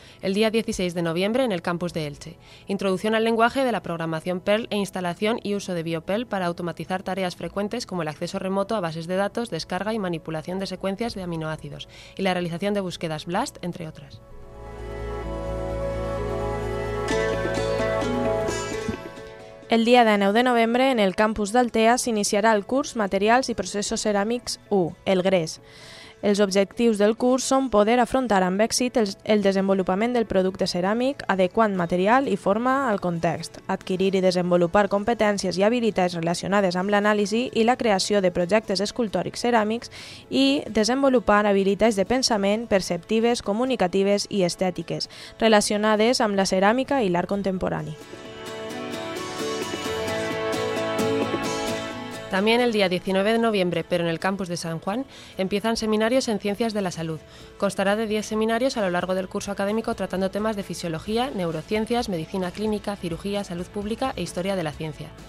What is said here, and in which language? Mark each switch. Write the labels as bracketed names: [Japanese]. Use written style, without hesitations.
[Spanish] El día 16 de noviembre en el campus de Elche. Introducción al lenguaje de la programación Perl e instalación y uso de BioPerl para automatizar tareas frecuentes como el acceso remoto a bases de datos, descarga y manipulación de secuencias de aminoácidos y la realización de búsquedas BLAST, entre otras. [Catalan] El dia 9 de novembre, en el campus d'Altea, s'iniciarà el curs Materials i Processos Ceràmics 1, el GRES. Els objectius del curs són poder afrontar amb èxit el desenvolupament del producte ceràmic, adequant material i forma al context, adquirir i desenvolupar competències i habilitats relacionades amb l'anàlisi i la creació de projectes escultòrics ceràmics i desenvolupar habilitats de pensament, perceptives, comunicatives i estètiques, relacionades amb la ceràmica i l'art contemporani. [Spanish] También el día 19 de noviembre, pero en el campus de San Juan, empiezan seminarios en Ciencias de la Salud. Constará de 10 seminarios a lo largo del curso académico tratando temas de fisiología, neurociencias, medicina clínica, cirugía, salud pública e historia de la ciencia.